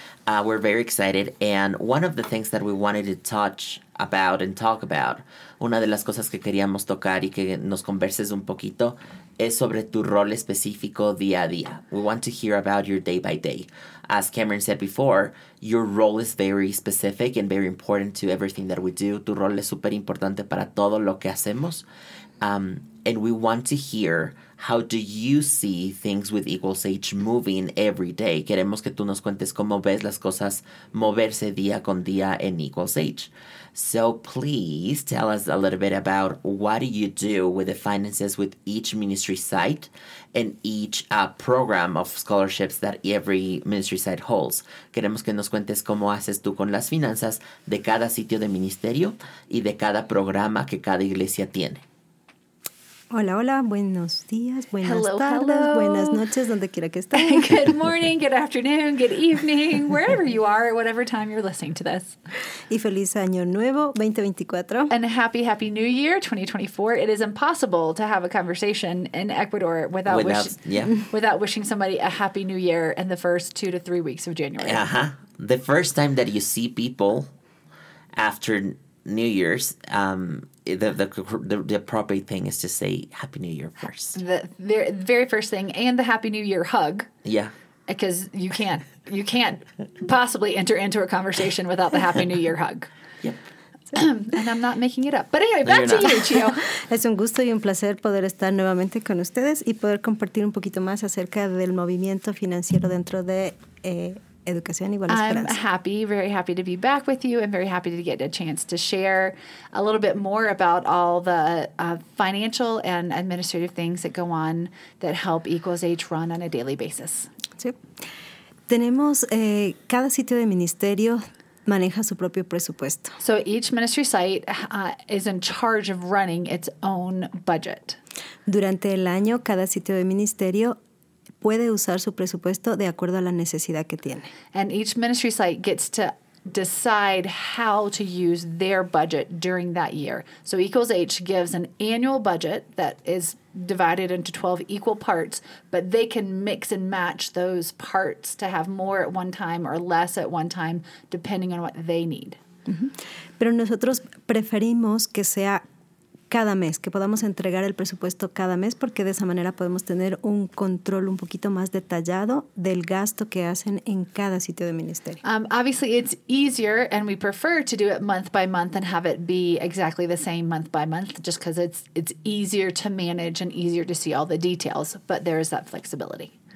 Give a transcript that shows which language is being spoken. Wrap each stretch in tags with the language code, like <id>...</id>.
<en>We're very excited. And one of the things that we wanted to touch about and talk about,</en> <es>una de las cosas que queríamos tocar y que nos converses un poquito, es sobre tu rol específico día a día.</es> <en>We want to hear about your day by day. As Cameron said before, your role is very specific and very important to everything that we do.</en> <es>Tu rol es súper importante para todo lo que hacemos.</es> <en>And we want to hear, how do you see things with Equals H moving every day?</en> <es>Queremos que tú nos cuentes cómo ves las cosas moverse día con día en Equals H.</es> <en>So please tell us a little bit about what do you do with the finances with each ministry site and each program of scholarships that every ministry site holds.</en> <es>Queremos que nos cuentes cómo haces tú con las finanzas de cada sitio de ministerio y de cada programa que cada iglesia tiene. Hola, hola, buenos días, buenas tardes. Buenas noches, donde quiera que estén.</es> <en>Good morning, good afternoon, good evening, wherever you are, whatever time you're listening to this.</en> <es>Y feliz año nuevo, 2024.</es> <en>And a happy, happy new year, 2024. It is impossible to have a conversation in Ecuador without wishing somebody a happy new year in the first 2 to 3 weeks of January. Uh-huh. The first time that you see people after New Year's, the appropriate thing is to say Happy New Year first. The very first thing, and the Happy New Year hug. Yeah. Because you can't possibly enter into a conversation without the Happy New Year hug. Yep. And I'm not making it up. But anyway, back to you, Chio.</en> <es>Es un gusto y un placer poder estar nuevamente con ustedes y poder compartir un poquito más acerca del movimiento financiero dentro de Educación igual esperanza.</es> <en>I'm happy, very happy to be back with you, and very happy to get a chance to share a little bit more about all the financial and administrative things that go on that help Equals H run on a daily basis.</en> <es>¿sí? Tenemos, cada sitio de ministerio maneja su propio presupuesto.</es> <en>So each ministry site is in charge of running its own budget.</en> <es>Durante el año, cada sitio de ministerio puede usar su presupuesto de acuerdo a la necesidad que tiene.</es> <en>And each ministry site gets to decide how to use their budget during that year. So Equals H gives an annual budget that is divided into 12 equal parts, but they can mix and match those parts to have more at one time or less at one time, depending on what they need. Mm-hmm.</en> <es>Pero nosotros preferimos que sea cada mes, que podamos entregar el presupuesto cada mes, porque de esa manera podemos tener un control un poquito más detallado del gasto que hacen en cada sitio de ministerio.</es> <en>Obviously, it's easier, and we prefer to do it month by month and have it be exactly the same month by month, just because it's easier to manage and easier to see all the details, but there is that flexibility.</en>